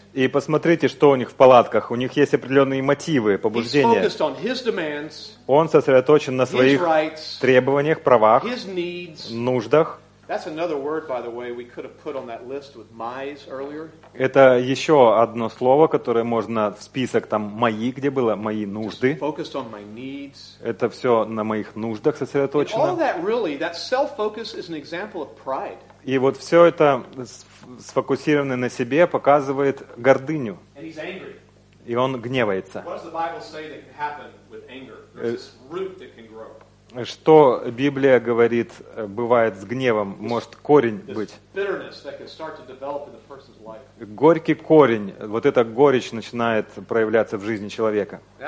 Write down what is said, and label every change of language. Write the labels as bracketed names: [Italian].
[Russian] И посмотрите, что у них в палатках. У них есть определенные мотивы, побуждения. [English] He's focused on his demands. [Russian] Он сосредоточен на своих требованиях, правах, [English] his needs, [Russian] нуждах. [English] That's another word, by the way, we could have put on that list with my's earlier. [Russian] Это еще одно слово, которое можно в список там мои, где было мои нужды. [English] Just focused on my needs. [Russian] Это все на моих нуждах сосредоточено. [English] And all that really, that self-focus is an example of pride. [Russian] И вот все это сфокусированное на себе показывает гордыню. [English] And he's angry. [Russian] И он гневается. [English] What does the Bible say that can happen with anger? There's this root that can grow. [Russian] Что Библия говорит, бывает с гневом, может корень быть. Горький корень, вот эта горечь начинает проявляться в жизни человека.